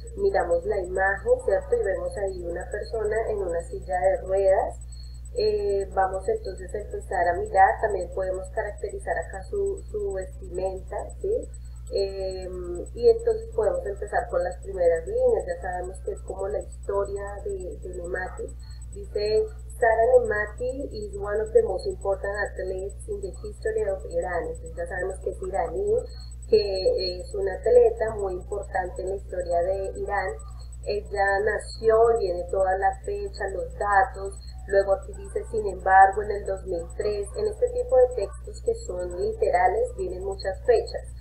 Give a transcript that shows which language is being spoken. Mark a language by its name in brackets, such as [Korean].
[Spanish] Miramos la imagen, ¿cierto? Y vemos ahí una persona en una silla de ruedas. Vamos entonces a empezar a mirar. También podemos caracterizar acá su vestimenta, ¿sí? Y entonces podemos empezar con las primeras líneas. Ya sabemos que es como la historia de Nematic. Dice: [English] Sara Nemati is one of the most important athletes in the history of Iran. [Spanish] Entonces ya sabemos que es iraní, que es una atleta muy importante en la historia de Irán. Ella nació, viene toda la fecha, los datos. Luego aquí dice, sin embargo, en el 2003, en este tipo de textos que son literales, vienen muchas fechas.